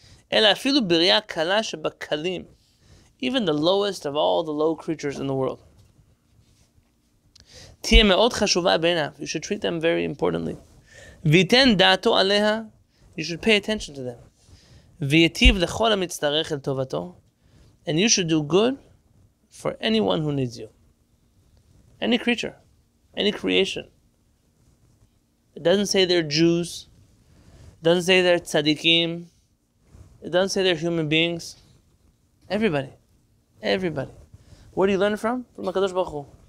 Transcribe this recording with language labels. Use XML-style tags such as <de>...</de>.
<he>Ela afilu b'riya kala shebakalim,</he> <en>even the lowest of all the low creatures in the world.</en> <he>תהיה מאוד חשובה בעיניו.</he> <en>You should treat them very importantly.</en> <he>ויתן דעתו עליה.</he> <en>You should pay attention to them.</en> <he>ויתיב לכל המצטרך אל טובתו.</he> <en>And you should do good for anyone who needs you. Any creature. Any creation. It doesn't say they're Jews. It doesn't say they're tzaddikim. It doesn't say they're human beings. Everybody. Everybody. Where do you learn from? From HaKadosh Baruch Hu.</en>